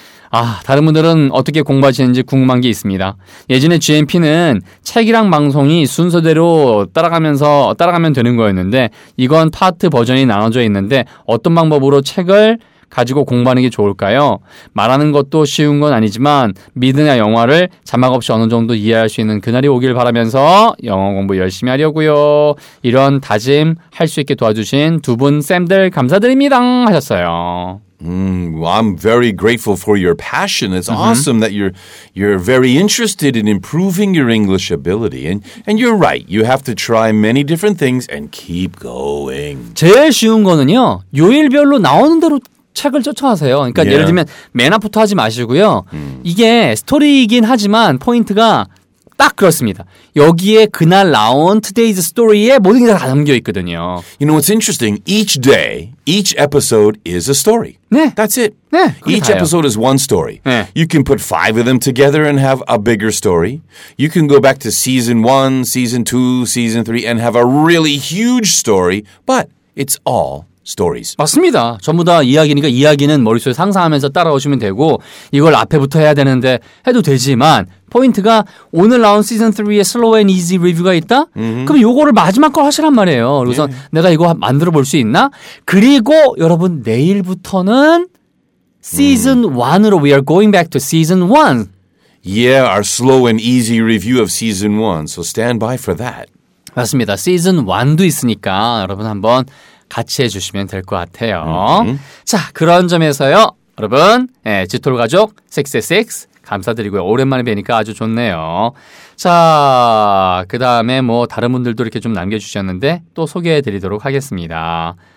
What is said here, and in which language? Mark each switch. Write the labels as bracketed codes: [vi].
[ko] 아, 다른 분들은 어떻게 공부하시는지 궁금한 게 있습니다. 예전에 GMP는 책이랑 방송이 순서대로 따라가면서 따라가면 되는 거였는데 이건 파트 버전이 나눠져 있는데 어떤 방법으로 책을 가지고 공부하는 게 좋을까요? 말하는 것도 쉬운 건 아니지만 미드나 영화를 자막 없이 어느 정도 이해할 수 있는 그날이 오길 바라면서 영어 공부 열심히 하려고요. 이런 다짐 할 수 있게 도와주신 두 분 쌤들 감사드립니다 하셨어요. [en] I'm very grateful for your passion. It's mm-hmm. awesome that you're very interested in improving your English ability. And you're right. You have to try many different things and keep going. [ko] 제일 쉬운 거는요. 요일별로 나오는 대로 책을 쫓아가세요. 그러니까 yeah. 예를 들면 맨 앞부터 하지 마시고요. 이게 스토리이긴 하지만 포인트가 딱 그렇습니다. 여기에 그날 나온 [en] today's story [ko] 에 모든 게 다 담겨 있거든요. [en] You know what's interesting? Each day, each episode is a story. [ko] 네. [en] That's it. [ko] 네. [en] Each [ko] 다요. [en] episode is one story. [ko] 네. [en] You can put five of them together and have a bigger story. You can go back to season one, season two, season three and have a really huge story, but it's all stories. [ko] 맞습니다. 전부 다 이야기니까 이야기는 머릿속에 상상하면서 따라오시면 되고 이걸 앞에부터 해야 되는데 해도 되지만 포인트가 오늘 나온 시즌3의 슬로우 앤 이지 리뷰가 있다? Mm-hmm. 그럼 요거를 마지막 걸 하시란 말이에요. 우선 yeah. 내가 이거 만들어 볼 수 있나? 그리고 여러분 내일부터는 시즌1으로 [en] we are going back to season 1. Yeah, our slow and easy review of season 1. So stand by for that. [ko] 맞습니다. 시즌1도 있으니까 여러분 한번 같이 해주시면 될 것 같아요. Mm-hmm. 자, 그런 점에서요. 여러분, 예, 지톨 가족 666 감사드리고요. 오랜만에 뵈니까 아주 좋네요. 자, 그 다음에 뭐 다른 분들도 이렇게 좀 남겨주셨는데 또 소개해드리도록 하겠습니다.